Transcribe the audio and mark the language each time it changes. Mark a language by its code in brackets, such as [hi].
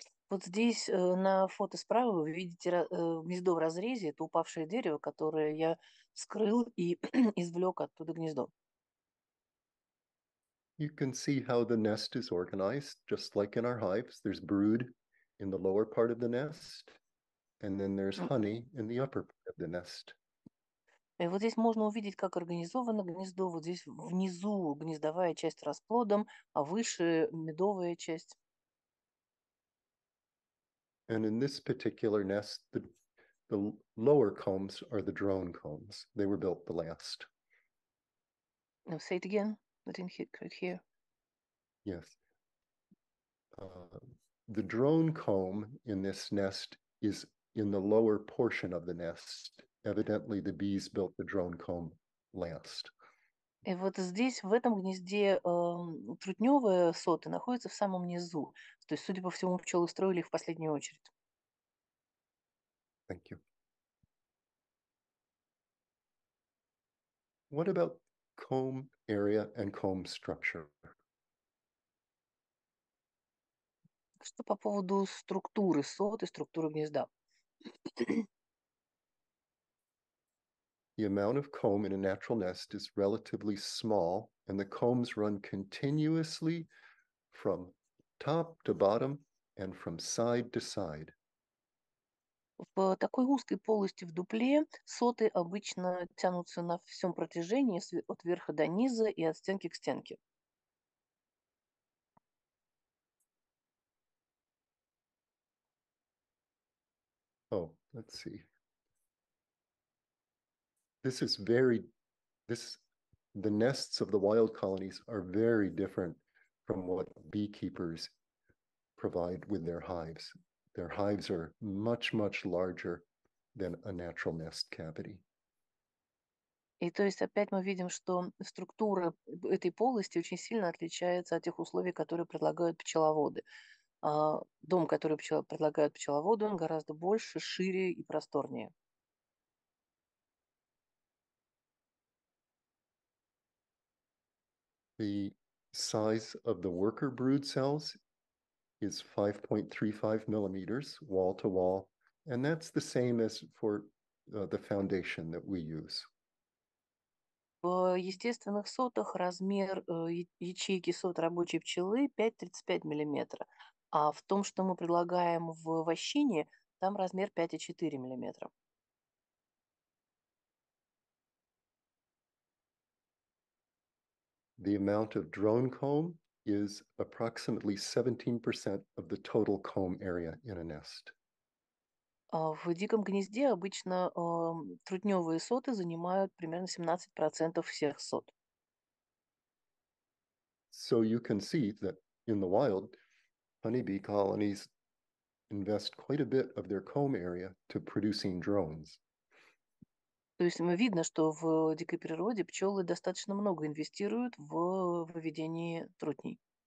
[ru] Вот здесь на фото справа вы видите гнездо в разрезе. Это упавшее дерево, которое я вскрыл и извлек оттуда гнездо. [en] You can see how the nest is organized, just like in our hives. There's brood in the lower part of the nest, and then there's honey in the upper part of the nest. [ru] И вот здесь можно увидеть, как организовано гнездо. Вот здесь внизу гнездовая часть расплодом, а выше медовая часть. [en] And in this particular nest, the lower combs are the drone combs. They were built the last. Now say it again. I didn't hear quite here. Yes. The drone comb in this nest is in the lower portion of the nest. Evidently, the bees built the drone comb last. [ru] И вот здесь, в этом гнезде, трутневые соты находятся в самом низу. То есть, судя по всему, пчелы строили их в последнюю очередь. [en] Thank you. What about comb area and comb structure? [ru] Что по поводу структуры соты, структуры гнезда? [en] The amount of comb in a natural nest is relatively small, and the combs run continuously from top to bottom and from side to side. [ru] В такой узкой полости в дупле соты обычно тянутся на всем протяжении от верха до низа и от стенки к стенке. [en] Oh, let's see. The nests of the wild colonies are very different from what beekeepers provide with their hives. Their hives are much, much larger than a natural nest cavity. [ru] И то есть опять мы видим, что структура этой полости очень сильно отличается от тех условий, которые предлагают пчеловоды. Дом, который предлагают пчеловоду, он гораздо больше, шире и просторнее. [en] The size of the worker brood cells is 5.35 millimeters wall to wall, and that's the same as for the foundation that we use. [ru] В естественных сотах размер ячейки сот рабочей пчелы 5.35 миллиметра, а в том, что мы предлагаем в овощине, там размер 5.4 миллиметра. [en] The amount of drone comb is approximately 17% of the total comb area in a nest. [ru] В диком гнезде обычно трутневые соты занимают примерно 17% всех сот. [en] So you can see that in the wild, honeybee colonies invest quite a bit of their comb area to producing drones. [ru] То есть мы видно, что в дикой природе пчелы достаточно много инвестируют в выведение трутней.